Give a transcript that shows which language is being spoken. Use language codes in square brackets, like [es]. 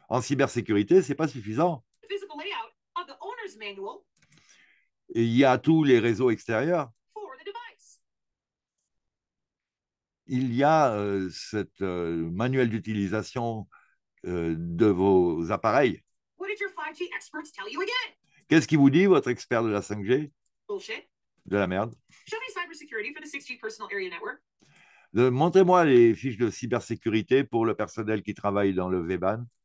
[fr] En cybersécurité, ce n'est pas suffisant. [en] Physical layout of the owner's manual. [fr] Il y a tous les réseaux extérieurs. [en] For the device. [fr] Il y a cette manuel d'utilisation de vos appareils. [en] What did your 5G experts tell you again? [fr] Qu'est-ce qu'il vous dit, votre expert de la 5G? [en] Bullshit. [fr] De la merde. [en] Show me cybersecurity for the 6G personal area network. [fr] Montrez-moi les fiches de cybersécurité pour le personnel qui travaille dans le VBAN.